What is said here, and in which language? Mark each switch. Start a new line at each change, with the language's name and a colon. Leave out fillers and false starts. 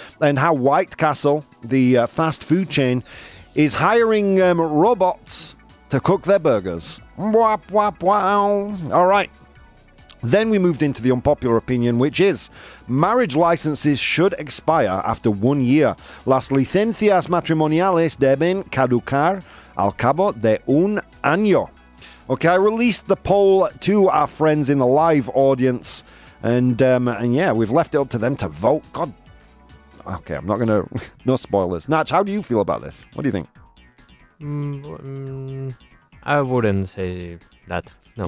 English: And how White Castle, the fast food chain, is hiring robots to cook their burgers. Wap, wap, wow. All right. Then we moved into the unpopular opinion, which is marriage licenses should expire after 1 year.
Spanish: Las licencias matrimoniales deben caducar al cabo de un año.
English: Okay, I released the poll to our friends in the live audience, and we've left it up to them to vote. God, okay, I'm not going to, no spoilers. Natch, how do you feel about this? What do you think? I wouldn't say that. No,